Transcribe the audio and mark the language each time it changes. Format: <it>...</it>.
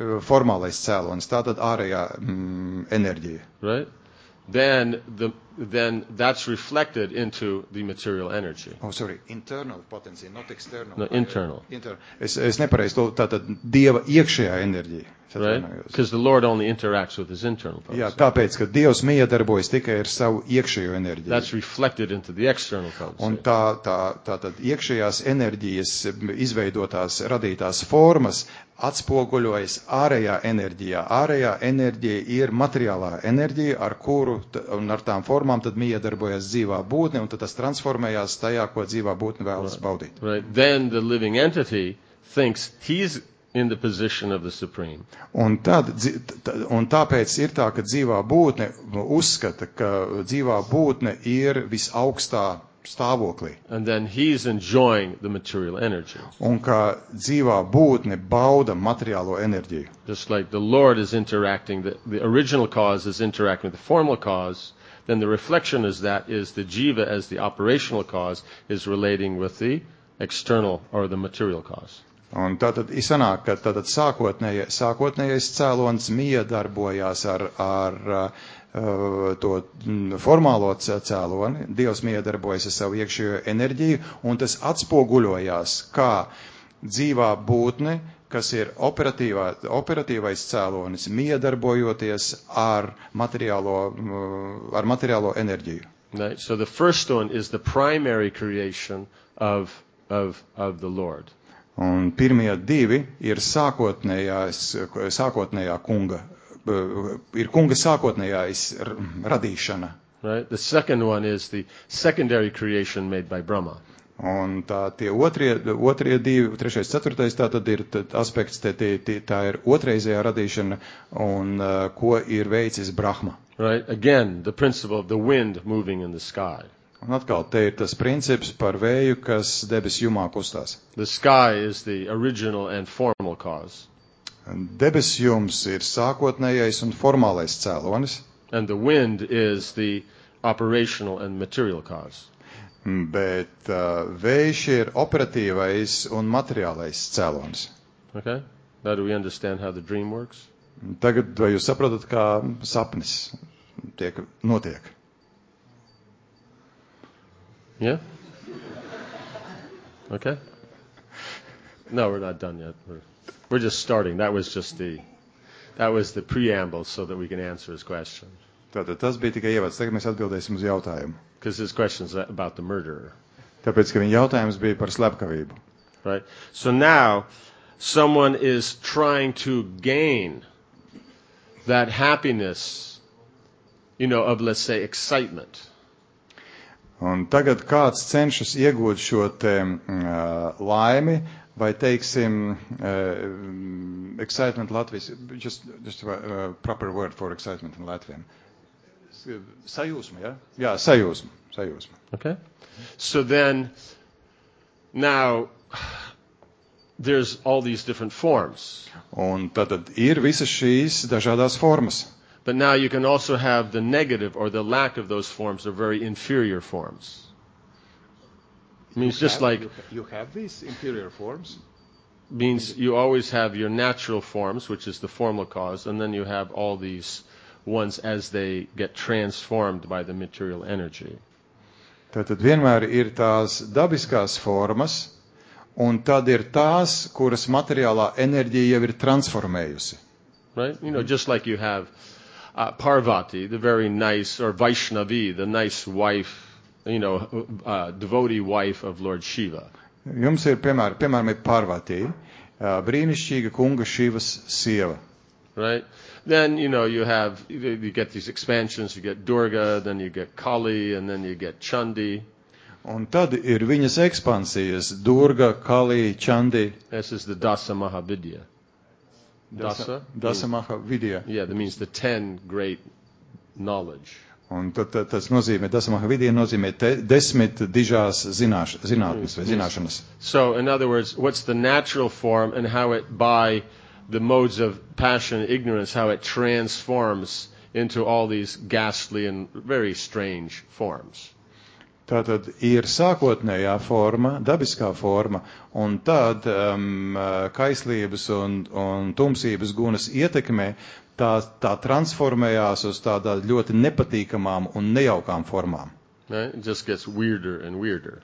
<lv>Formālais cēlonis, tātad ārējā enerģija.</lv> <en>Right? Then that's reflected into the material energy. Oh, sorry, internal potency, not external. No, internal.</en> <lv>Es nepareiz to, tātad Dieva iekšējā enerģija.</lv> <en>Right? Because the Lord only interacts with his internal potency.</en> <lv>Jā, tāpēc, ka Dievs miedarbojas tikai ar savu iekšējo enerģiju.</lv> <en>That's reflected into the external potency.</en> <lv>Un tātad iekšējās enerģijas izveidotās, radītās formas atspoguļojas ārējā enerģijā. Ārējā enerģija ir materiālā enerģija, ar kuru un ar tām formām tad miedarbojas dzīvā būtne, un tad tas transformējās tajā, ko dzīvā būtne vēlas baudīt.</lv> <en>Right. Then the living entity thinks he's in the position of the supreme.</en> <lv>Un tad, un tāpēc ir tā, ka dzīvā būtne uzskata, ka dzīvā būtne ir visaugstā stāvoklī.</lv> <en>And then he is enjoying the material energy.</en> <lv>Un ka dzīvā būtne bauda materiālo enerģiju.</lv> <en>Just like the Lord is interacting, the original cause is interacting with the formal cause, then the reflection is that is the jiva as the operational cause is relating with the external or the material cause.</en> <lv>Un tātad izsanāk, ka tātad sākotnējais cēlons miedarbojās ar to formālo cēloni, Dievs miedarbojas ar savu iekšējo enerģiju, un tas atspoguļojās, kā dzīvā būtne, kas ir operatīvais cēlonis, miedarbojoties ar materiālo enerģiju.</lv> <en>Right. So the first one is the primary creation of the Lord.</en> <lv>Un pirmie divi ir sākotnējā kunga, ir kunga sākotnējais radīšana.</lv> <en>Right. The second one is the secondary creation made by Brahma.</en> <lv>Un tā tie otrie divi, trešais, ceturtais, tā tad ir aspekts, tā ir otreizējā radīšana, un ko ir veicis Brahma.</lv> <en>Right, again, the principle of the wind moving in the sky.</en> <lv>Un atkal, te ir tas princips par vēju, kas debes jumā kustās.</lv> <en>The sky is the original and formal cause.</en> <lv>Debes jums ir sākotnējais un formālais cēlonis.</lv> <en>And the wind is the operational and material cause.</en> <lv>Bet vējš ir operatīvais un materiālais cēlons.</lv> <en>Okay. Now do we understand how the dream works?</en> <lv>Tagad vai jūs saprotat, kā sapnis tiek notiek?</lv> <en>Yeah? Okay. No, we're not done yet. We're just starting. That was the preamble so that we can answer his question.</en> <lv>Tātad tas bija tikai ievads. Tagad mēs atbildēsim uz jautājumu.</lv> <en>Because his question is about the murderer.</en> <lv>Tāpēc, ka viņa jautājums bija par slepkavību.</lv> <en>Right. So now, someone is trying to gain that happiness, you know, of, let's say, excitement.</en> <lv>Un tagad kāds cenšas iegūt šo te laimi, vai teiksim, excitement Latvijas,</lv> <en>just a proper word for excitement in Latvian.</en> <lv>Sajūsma, ja? Jā, sajūsma.</lv> <en>Okay. So then, now, there's all these different forms.</en> <lv>Un tad ir visas šīs dažādās formas.</lv> <en>But now you can also have the negative or the lack of those forms are very inferior forms. It means you just have, like... You have these inferior forms? Means you always have your natural forms, which is the formal cause, and then you have all these... once as they get transformed by the material energy.</en> <lv>Tātad vienmēr ir tās dabiskās formas, un tad ir tās, kuras materiālā enerģija jau ir transformējusi.</lv> <en>Right? You know, just like you have Parvati, the very nice, or Vaishnavi, the nice wife, you know, devotee wife of Lord Shiva.</en> <lv>Jums ir piemēram ir Parvati, brīnišķīga kunga Šivas sieva.</lv> <en>Right? Then, you know, you get these expansions, you get Durga, then you get Kali, and then you get Chandi.</en> <lv>Un tad ir viņas ekspansijas, Durga, Kali, Chandi.</lv> <en>This is the Dasa Mahavidya. Dasa? Dasa Mahavidya. Yeah, that means the 10 great knowledge.</en> <lv>Un tas nozīmē, Dasa Mahavidya nozīmē 10 dižās zinātnes vai zināšanas.</lv> <en>So, in other words, what's the natural form and how it by... the modes of passion and ignorance, how it transforms into all these ghastly and very strange forms.</en> <lv>Tātad ir sākotnējā forma, dabiskā forma, un tad kaislības un tumsības gunas ietekmē tā transformējās uz tādā ļoti nepatīkamām un nejaukām formām.</lv> <en>Right? It just gets weirder and weirder.</en>